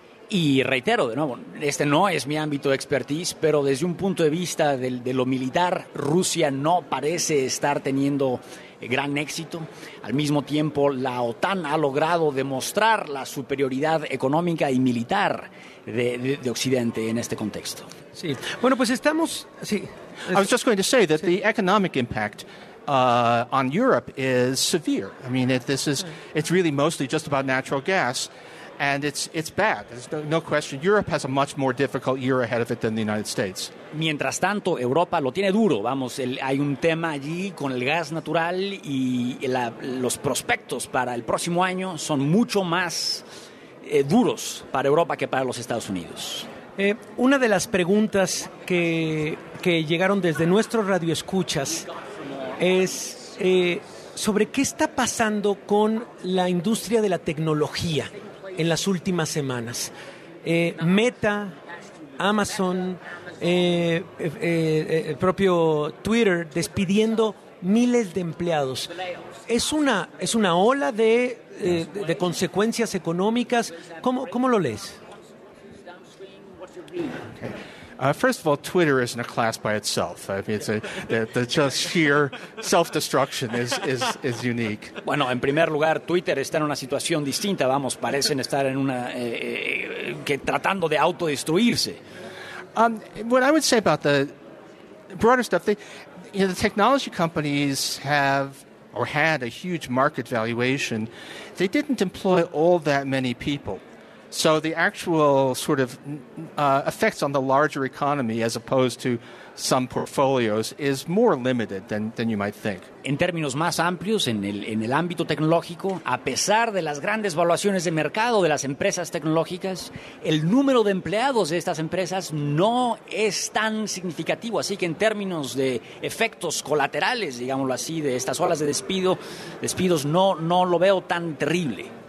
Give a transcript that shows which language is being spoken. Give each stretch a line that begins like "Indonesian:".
Spanish: Y reitero de nuevo, este no es mi ámbito de expertise, pero desde un punto de vista de lo militar, Rusia no parece estar teniendo gran éxito. Al mismo tiempo, la OTAN ha logrado demostrar la superioridad económica y militar de Occidente en este contexto. Sí. Bueno, pues estamos. Sí.
English: I was just going to say that the economic impact on Europe is severe. I mean, it's really mostly just about natural gas, and it's bad. There's no question. Europe has a much more difficult year ahead of it than the United States.
Spanish: Mientras tanto, Europa lo tiene duro. Vamos, hay un tema allí con el gas natural y los prospectos para el próximo año son mucho más duros para Europa que para los Estados Unidos. Una de las preguntas que llegaron desde nuestros radioescuchas es sobre qué está pasando con la industria de la tecnología en las últimas semanas. Meta, Amazon, el propio Twitter despidiendo miles de empleados. Es una ola de consecuencias económicas. ¿Cómo lo lees?
English: Okay. First of all, Twitter isn't a class by itself. I mean, the just sheer self-destruction is unique.
Spanish: Bueno, en primer lugar, Twitter está en una situación distinta. Vamos, parecen estar en una que tratando de autodestruirse.
English: What I would say about the broader stuff, the technology companies have or had a huge market valuation. They didn't employ all that many people. So the actual sort of effects on the larger economy as opposed to some portfolios is more limited than you might think.
Spanish: En términos más amplios, en el ámbito tecnológico, a pesar de las grandes valuaciones de mercado de las empresas tecnológicas, el número de empleados de estas empresas no es tan significativo. Así que en términos de efectos colaterales, digámoslo así, de estas olas de despidos, no lo veo tan terrible.